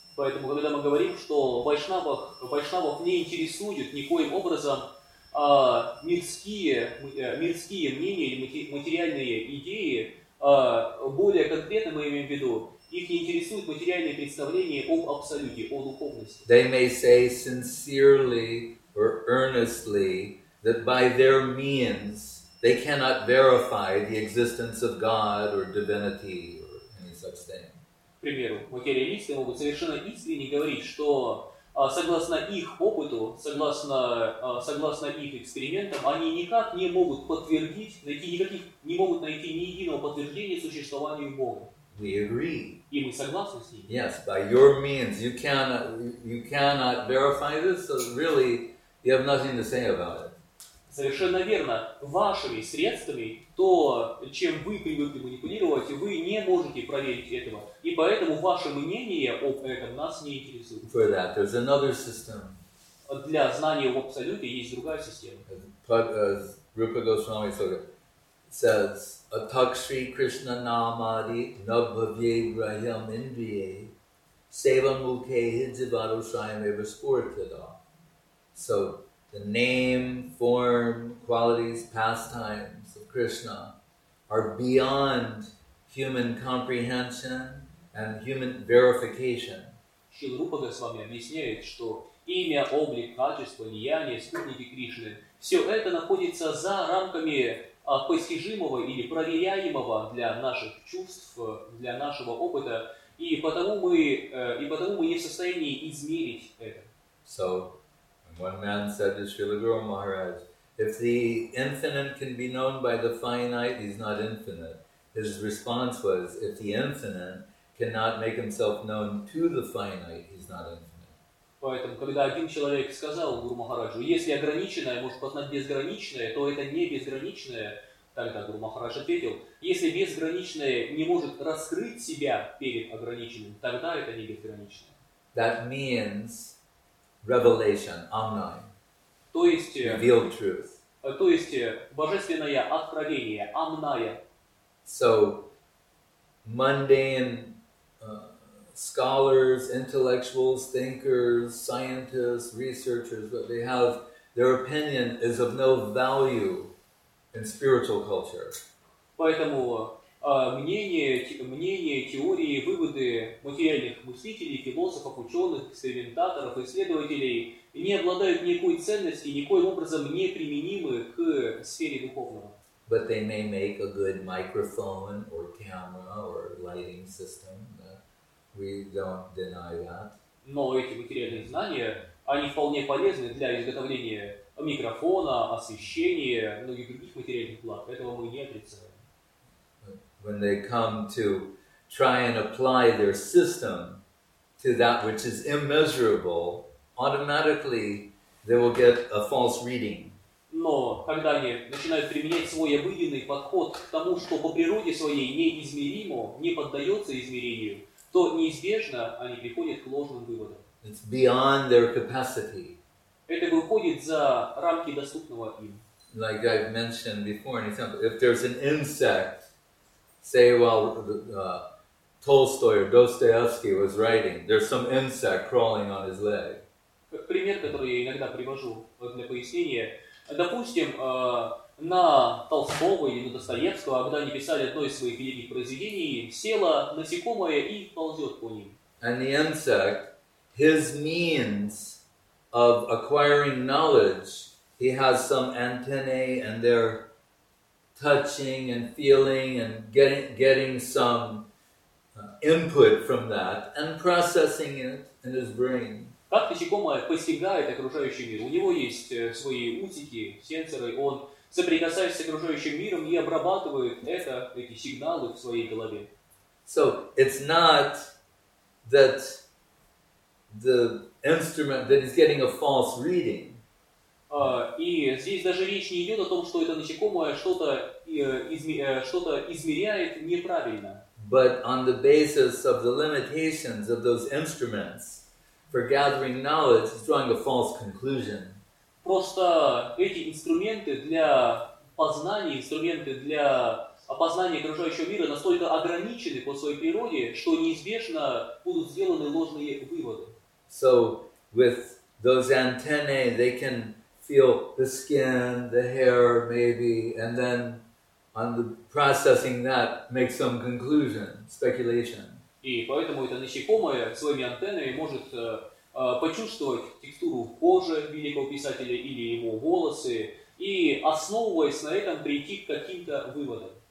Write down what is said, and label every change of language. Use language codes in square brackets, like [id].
[ru] Поэтому когда мы говорим, что вайшнавов не интересуют никоим образом мирские мнения или материальные идеи, более конкретно мы имеем в виду, их не интересуют материальные представления об абсолюте, о духовности. [en] They may say sincerely or earnestly that by their means they cannot verify the existence of God or divinity or any such thing. [ru] К примеру, материалисты могут совершенно искренне говорить, что согласно их опыту, согласно их экспериментам, они никак не могут подтвердить, не могут найти ни единого подтверждения существования Бога. [en] We agree. [ru] И мы согласны с ними. [en] Yes, by your means you cannot verify this, so really you have nothing to say about it. [ru] Совершенно верно. Вашими средствами, то, чем вы привыкли манипулировать, вы не можете проверить этого. И поэтому ваше мнение об этом нас не интересует. [en] For that, there's another system. [ru] Для знания в абсолюте есть другая система. [en] As Rupa Goswami says, [sa] Atak Shri Krishna Namadi Nabhavye Grahyam Indriye Sevam Mukhe Hidzibhado Shrayam Eva Spurthada. [en] So, the name, form, qualities, pastimes of Krishna are beyond human comprehension and human verification. [ru] Шрила Рупа Госвами объясняет, что имя, облик, качество, деяния, спутники Кришны, все это находится за рамками постижимого или проверяемого для наших чувств, для нашего опыта, и потому мы не в состоянии измерить это. [en] So, one man said to Srila Guru Maharaj, if the infinite can be known by the finite, he's not infinite. His response was, if the infinite cannot make himself known to the finite, he's not infinite. [ru] Поэтому, когда один человек сказал Гуру Махараджу, если ограниченное может познать безграничное, то это не безграничное, тогда Гуру Махарадж ответил, если безграничное не может раскрыть себя перед ограниченным, тогда это не безграничное. [en] That means revelation, Amnai. [ru] То есть, [en] revealed truth. [ru] То есть, божественное откровение, Амная. [en] So, mundane scholars, intellectuals, thinkers, scientists, researchers, what they have, their opinion is of no value in spiritual culture. [ru] Поэтому мнения, теории, выводы материальных мыслителей, философов, ученых, экспериментаторов, исследователей не обладают никакой ценностью, никоим образом не применимы к сфере духовного. [en] But they may make a good microphone or camera or lighting system. We don't deny that. [ru] Но эти материальные знания, они вполне полезны для изготовления микрофона, освещения, многих других материальных благ. Этого мы не отрицаем. [en] When they come to try and apply their system to that which is immeasurable, automatically they will get a false reading. [ru] Но когда они начинают применять свой обыденный подход к тому, что по природе своей неизмеримо, не поддается измерению, то неизбежно они приходят к ложным выводам. [en] It's beyond their capacity. [ru] Это выходит за рамки доступного им. [en] Like I've mentioned before, an example: if there's an insect, say, while Tolstoy or Dostoevsky was writing, there's some insect crawling on his leg. [ru] Пример, который я иногда привожу для пояснения. Допустим, на Толстого или на Достоевского, когда они писали одно из своих великих произведений, села насекомое и ползет по ним. [en] And the insect, his means of acquiring knowledge, he has some antennae and they're touching and feeling and getting some input from that and processing it in his brain. [ru] Как насекомое постигает окружающий мир? У него есть свои усики, сенсоры, он соприкасается с окружающим миром и обрабатывает это, эти сигналы в своей голове. [en] So, it's not that the instrument, that he's getting a false reading. [ru] И здесь даже речь не идет о том, что это насекомое что-то измеряет неправильно. [en] But on the basis of the limitations of those instruments, for gathering knowledge, it's drawing a false conclusion. [ru] Просто эти инструменты для познания, инструменты для опознания окружающего мира настолько ограничены по своей природе, что неизбежно будут сделаны ложные выводы. [en] So with those antennae, they can feel the skin, the hair, maybe, and then on the processing that, make some conclusion, speculation. [ru] И поэтому это насекомое своими антеннами может почувствовать текстуру кожи великого писателя или его волосы и, основываясь на этом, прийти к каким-то выводам.